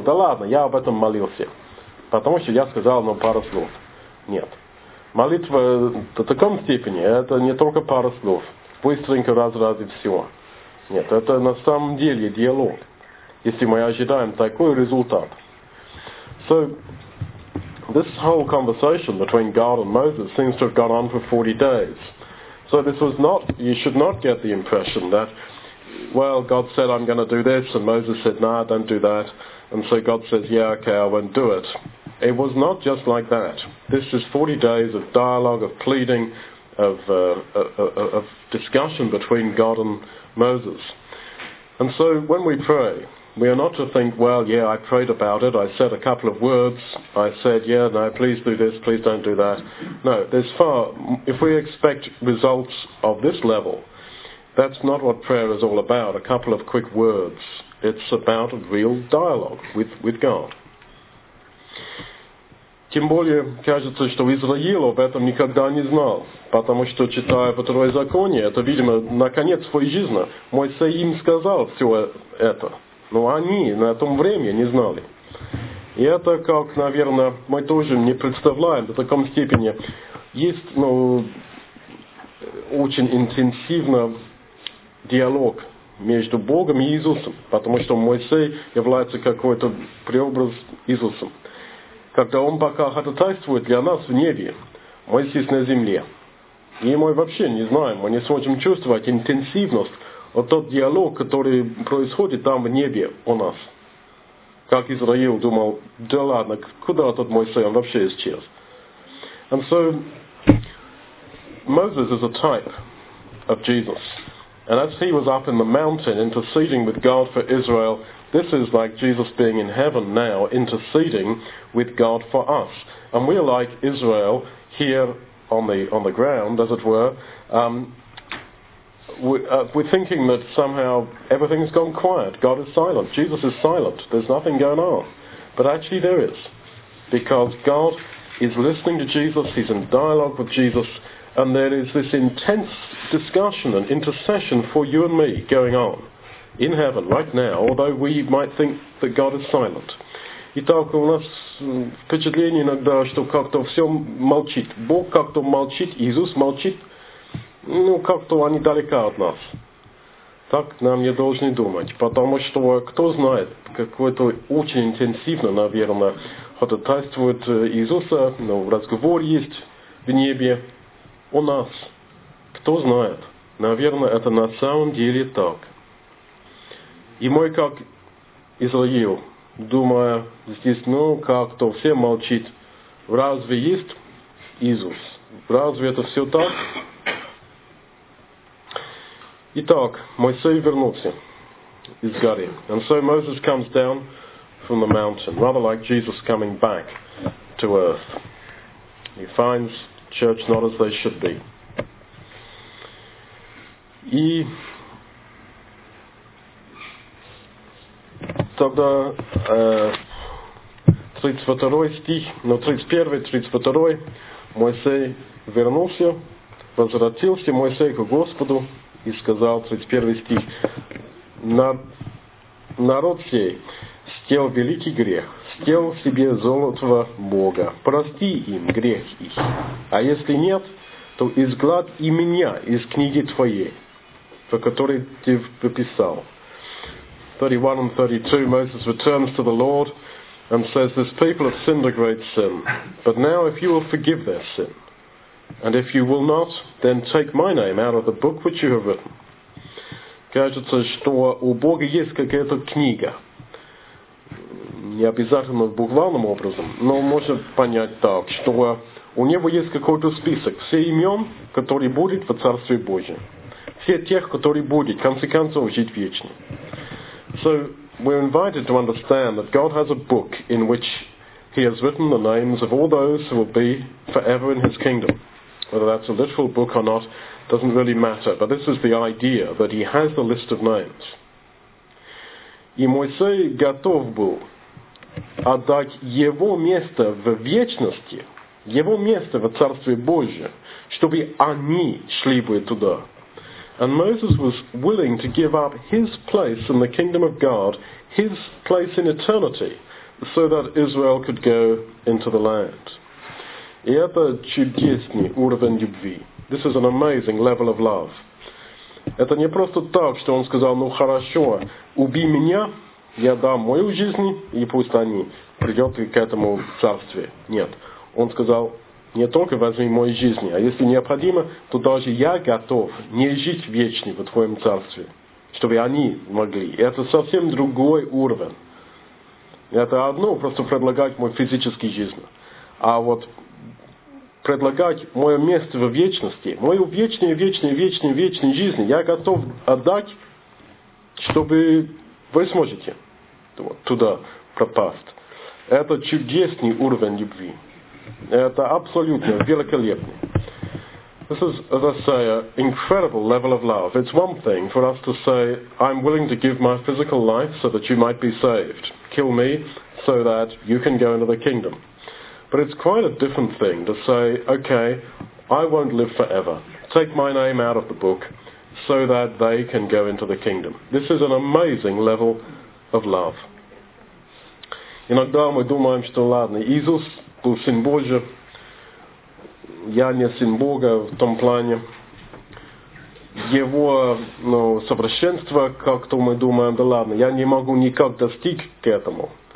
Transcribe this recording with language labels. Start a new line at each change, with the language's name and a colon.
Russian: Да ладно, я об этом молился. Потому что я сказал, но пара слов. Нет. Молитва в таком степени, это не только пара слов. Быстренько раз и все. Нет, это на самом деле диалог. Если мы ожидаем такой результат.
English: So, this whole conversation between God and Moses seems to have gone on for 40 days. So this was not, you should not get the impression that, well, God said, I'm going to do this, and Moses said, nah, don't do that. And so God says, yeah, okay, I won't do it. It was not just like that. This is 40 days of dialogue, of pleading, of discussion between God and Moses. And so when we pray, we are not to think, well, yeah, I prayed about it. I said a couple of words. I said, yeah, no, please do this, please don't do that. No, there's far, if we expect results of this level, that's not what prayer is all about, a couple of quick words. It's about a real dialogue with God.
Russian: Тем более, кажется, что Израиль об этом никогда не знал, потому что, читая Второзаконие, это, видимо, наконец своей жизни, Моисей им сказал все это. Но они на том время не знали. И это, как, наверное, мы тоже не представляем до такой степени. Есть, ну, очень интенсивно диалог между Богом и Иисусом, потому что Моисей является какой-то преобраз Иисусом. Когда он пока ходатайствует для нас в небе, мы здесь на земле. И мы вообще не знаем, мы не сможем чувствовать интенсивность вот тот диалог, который происходит там в небе у нас. Как Израил думал, да ладно, куда тот Моисей, он вообще исчез.
English: And so, Moses is a type of Jesus. And as he was up in the mountain interceding with God for Israel, this is like Jesus being in heaven now interceding with God for us. And we're like Israel here on the ground, as it were. We're thinking that somehow everything's gone quiet. God is silent. Jesus is silent. There's nothing going on. But actually there is. because God is listening to Jesus, he's in dialogue with Jesus, and there is this intense discussion and intercession for you and me going on in heaven right now, although we might think that God is silent.
Russian: Итак, у нас впечатление иногда, что как-то все молчит. Бог как-то молчит, Иисус молчит, ну как-то они далеко от нас. Так нам не должны думать, потому что кто знает, какой-то очень интенсивно, наверное, ходатайствует Иисуса, ну, разговор есть в небе у нас. Кто знает, наверное, это на самом деле так. И мы как Израил, думая здесь, ну как-то все молчит, разве есть Иисус? Разве это все так? Итак, Моисей вернулся из горы.
English: And so Moses comes down from the mountain, rather like Jesus coming back to earth. He finds church not as they should be.
Russian: И тогда 32 стих, ну 31, 32, Моисей вернулся, возвратился Моисей к Господу, и сказал 31 стих: народ сей стел великий грех, стел себе золотого Бога, прости им грех их, а если нет, то изгладь и меня из книги твоей, по которой ты пописал.
English: 31 and 32, Moses returns to the Lord and says, this people have sinned a great sin, but now if you will forgive their sin, and if you will not, then take my name out of the book which you have written.
Russian: Кажется, что у Бога есть какая-то книга. Не обязательно в буквальном образом, но можно понять так, что у него есть какой-то список всех имен, которые будут во Царстве Божьем. Все тех, которые будут, в конце концов, жить вечно.
English: So we're invited to understand that God has a book in which he has written the names of all those who will be forever in his kingdom. Whether that's a literal book or not, doesn't really matter. But this is the idea, that he has the list of names.
Russian: И Моисей готов был отдать его место в вечности, его место в Царстве Божьем, чтобы они шли бы туда.
English: And Moses was willing to give up his place in the kingdom of God, his place in eternity, so that Israel could go into the land.
Russian: И это чудесный уровень любви.
English: This is an amazing level of love.
Russian: Это не просто так, что он сказал, ну хорошо, убей меня, я дам мою жизнь, и пусть они придут к этому царству. Нет. Он сказал, не только возьми мою жизнь, а если необходимо, то даже я готов не жить вечно в твоем царстве, чтобы они могли. И это совсем другой уровень. Это одно, просто предлагать мой физический жизнь. А вот предлагать мое место в вечности, мою вечную, вечную, вечную, вечную жизнь, я готов отдать, чтобы вы сможете туда пропасть. Это чудесный уровень любви. Это абсолютно великолепно.
English: This is, as I say, an incredible level of love. It's one thing for us to say, I'm willing to give my physical life so that you might be saved. Kill me so that you can go into the kingdom. But it's quite a different thing to say, okay, I won't live forever. Take my name out of the book so that they can go into the kingdom. This is an amazing level of love.
Russian: Иногда мы думаем, что ладно, Иисус был Сын Божий, я не Сын Бога в том плане. Его, ну, совершенство, как-то мы думаем, да ладно, я не могу никак достичь к этому.